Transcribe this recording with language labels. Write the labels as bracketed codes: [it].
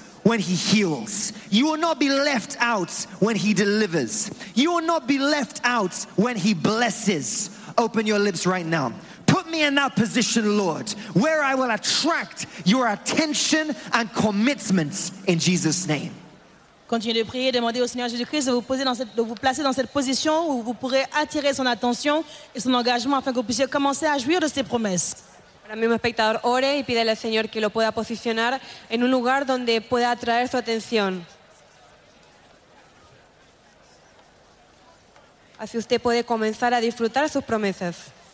[en] when he heals. You will not be left out when he delivers. You will not be left out when he blesses. Open your lips right now. Put me in that position, Lord, where I will attract your attention and commitments in Jesus' name. [fr] Continuez de prier, demandez au Seigneur Jésus-Christ de vous placer dans cette position où vous pourrez attirer son attention et son engagement afin que vous puissiez commencer à jouir de ses promesses. [es] Ahora mismo, espectador, ore y pídele al Señor que lo pueda posicionar en un lugar donde pueda atraer su atención. Así usted puede comenzar a disfrutar sus promesas.